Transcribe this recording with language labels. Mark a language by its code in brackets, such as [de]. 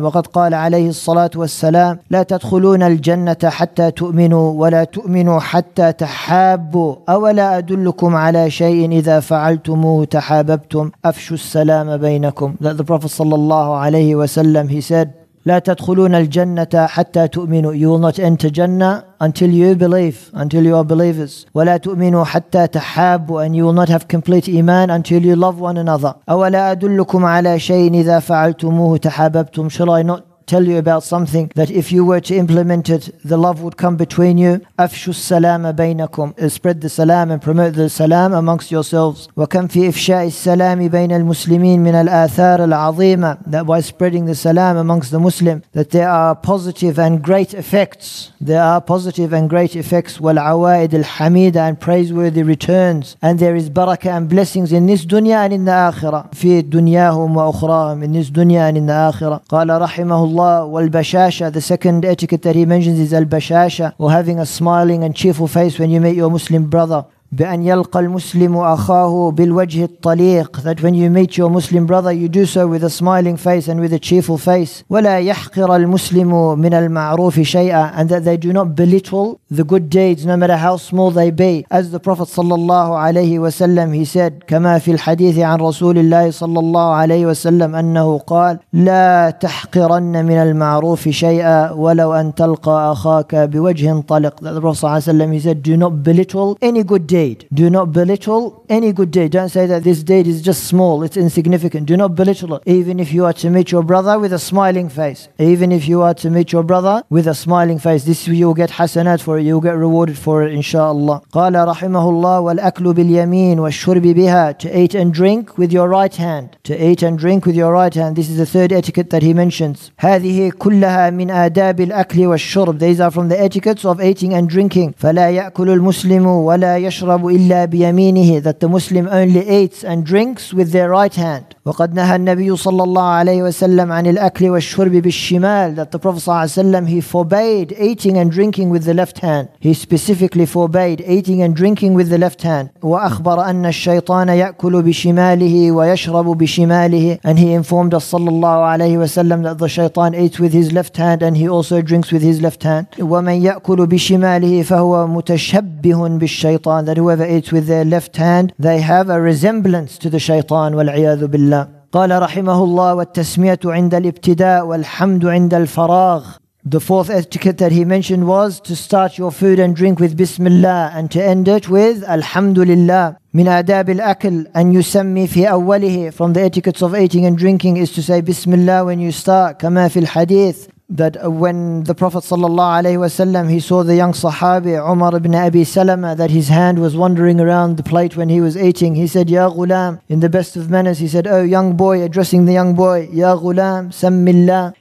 [ar] وقد قال عليه الصلاة والسلام لا تدخلون الجنة حتى تؤمنوا ولا تؤمنوا حتى تحابوا أولا أدلكم على شيء إذا فعلتموه تحاببتم أفشوا السلام بينكم. [en] That the Prophet [ar] صلى الله عليه وسلم [en] he said [ar] لا تدخلون الجنة حتى تؤمنوا. [en] You will not enter Jannah until you believe, until you are believers. [ar] ولا تؤمنوا حتى تحابوا, [en] and you will not have complete iman until you love one another. [ar] أولا أدلكم على شيء إذا فعلتموه تحاببتم. [en] Shall I not tell you about something that if you were to implement it, the love would come between you? [ar] أفشوا السلام بينكم. [en] Spread the salam and promote the salam amongst yourselves. [ar] وكم في إفشاء السلام بين المسلمين من الآثار العظيمة. [en] That by spreading the salam amongst the Muslim, that there are positive and great effects. There are positive and great effects. [ar] والعوائد الحميدة [en] and praiseworthy returns. And there is barakah and blessings in this dunya and in the آخرة. [ar] في دنياهم وأخراهم. [en] In this dunya and in the آخرة. [ar] قال رحمه Allah wal-bashasha. [en] The second etiquette that he mentions is al-bashasha, or having a smiling and cheerful face when you meet your Muslim brother. [ar] بأن يلقى المسلم أخاه بالوجه الطليق. [en] That when you meet your Muslim brother, you do so with a smiling face and with a cheerful face. [ar] ولا يحقر المسلم من المعروف شيئا. [en] And that they do not belittle the good deeds, no matter how small they be. As the Prophet [ar] صلى الله عليه وسلم [en] he said, [ar] كما في الحديث عن رسول الله صلى الله عليه وسلم أنه قال لا تحقرن من المعروف شيئا ولو أن تلقى أخاك بوجه طليق. [en] That the Prophet صلى الله عليه وسلم he said, do not belittle any good deed. Do not belittle any good deed. Don't say that this deed is just small, it's insignificant. Do not belittle it. Even if you are to meet your brother with a smiling face. Even if you are to meet your brother with a smiling face, this you will get hasanat for it, you will get rewarded for it, inshaAllah. [ar] قال رحمه الله والأكل باليمين والشرب بها. [en] To eat and drink with your right hand. To eat and drink with your right hand. This is the third etiquette that he mentions. [ar] هذه كلها من آداب الأكل والشرب. [en] These are from the etiquettes of eating and drinking. [ar] فلا يأكل المسلم ولا يشرب إلا بيمينه. [en] That the Muslim only eats and drinks with their right hand. [ar] وقد نهى النبي صلى الله عليه وسلم عن الأكل والشرب بالشمال. [en] That the Prophet صلى الله عليه وسلم he forbade eating and drinking with the left hand. He specifically forbade eating and drinking with the left hand. [ar] وأخبر أن الشيطان يأكل بشماله ويشرب بشماله. [en] And he informed us صلى الله عليه وسلم that the shaitan eats with his left hand and he also drinks with his left hand. [ar] ومن يأكل بشماله فهو متشبه بالشيطان. [en] That whoever eats with their left hand, they have a resemblance to the shaitan, [ar] والعياذ بالله. قال رحمه الله والتسمية عند الابتداء والحمد عند الفراغ. [en] The fourth etiquette that he mentioned was to start your food and drink with bismillah and to end it with alhamdulillah. [ar] من آداب الأكل أن يسمي في أوله. [en] From the etiquettes of eating and drinking is to say bismillah when you start. [ar] كما في الحديث. [en] That when the Prophet sallallahu alaihi wasallam he saw the young Sahabi Umar ibn Abi Salama that his hand was wandering around the plate when he was eating, he said, "Ya ghulam," in the best of manners, he said, "Oh young boy," addressing the young boy, "Ya ghulam, sammillah."